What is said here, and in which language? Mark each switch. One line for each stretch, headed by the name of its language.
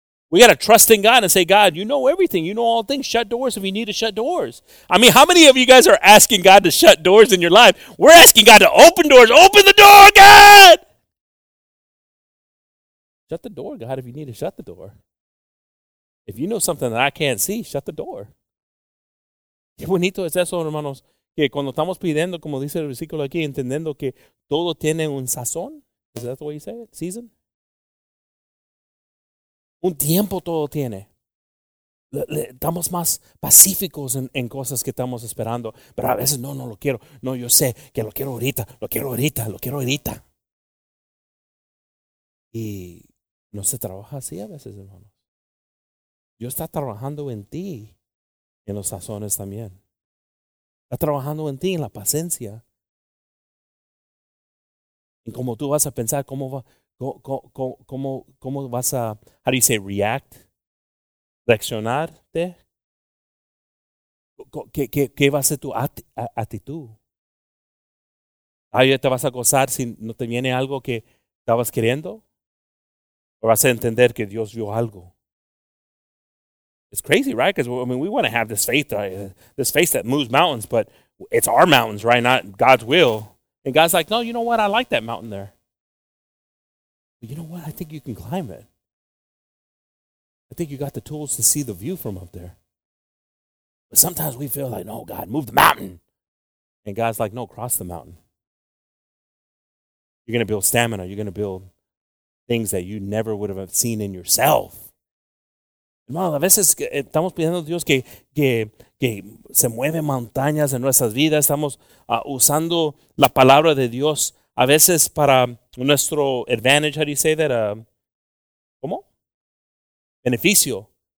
English: We got to trust in God and say, God, you know everything. You know all things. Shut doors if you need to shut doors. I mean, how many of you guys are asking God to shut doors in your life? We're asking God to open doors. Open the door, God! Shut the door, God, if you need to shut the door. If you know something that I can't see, shut the door.
Spanish: Qué bonito es eso, hermanos, que cuando estamos pidiendo, como dice el versículo aquí, entendiendo que todo tiene un sazón.
English: Is that the way you say it? Season?
Spanish: Un tiempo todo tiene. Estamos más pacíficos en cosas que estamos esperando. Pero a veces, no, no lo quiero. No, yo sé que lo quiero ahorita. Lo quiero ahorita. Lo quiero ahorita. Y no se trabaja así a veces, hermano. Dios está trabajando en ti. En los sazones también. Está trabajando en ti, en la paciencia. En cómo tú vas a pensar, cómo va... ¿Cómo vas a,
English: how do you say, react?
Spanish: ¿Reaccionarte? ¿Qué va a ser tu actitud? ¿Ahí te vas a gozar si no te viene algo que estabas queriendo? ¿O vas a entender que Dios vio algo?
English: It's crazy, right? Because, I mean, we want to have this faith, right? This faith that moves mountains, but it's our mountains, right? Not God's will. And God's like, no, you know what? I like that mountain there. But you know what? I think you can climb it. I think you got the tools to see the view from up there. But sometimes we feel like, no, God, move the mountain. And God's like, no, cross the mountain. You're going to build stamina. You're going to build things that you never would have seen in yourself.
Spanish: Hermano, a veces estamos pidiendo a Dios que se mueve montañas en nuestras vidas. Estamos usando la palabra de Dios a veces para nuestro
English: advantage, how do you say that?
Spanish: ¿Cómo? Beneficio.